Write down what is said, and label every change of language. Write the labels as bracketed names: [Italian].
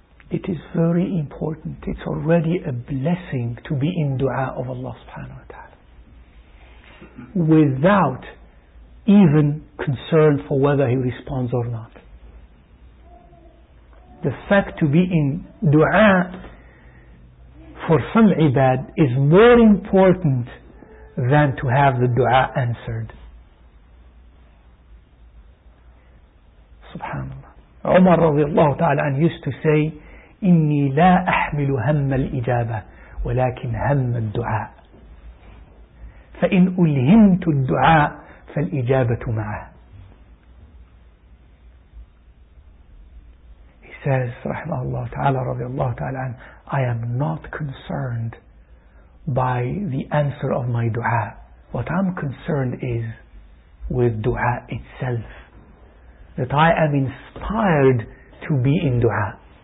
[English] It is very important, it's already a blessing to be in du'a of Allah subhanahu wa ta'ala, without even concern for whether He responds or not. The fact to be in du'a for some ibad is more important than to have the du'a answered. Subhanallah. Umar radiallahu ta'ala and used to say, [Arabic] إِنِّي لَا أَحْمِلُ هَمَّ الْإِجَابَةِ وَلَكِنْ هَمَّ الدُّعَاءِ فَإِنْ أُلْهِمْتُ الدُّعَاءِ فَالْإِجَابَةُ مَعَهِ. [English] He says, [Arabic] رحمه الله تعالى رضي الله تعالى عنه, [English] I am not concerned by the answer of my dua. What I'm concerned is with dua itself, that I am inspired to be in dua.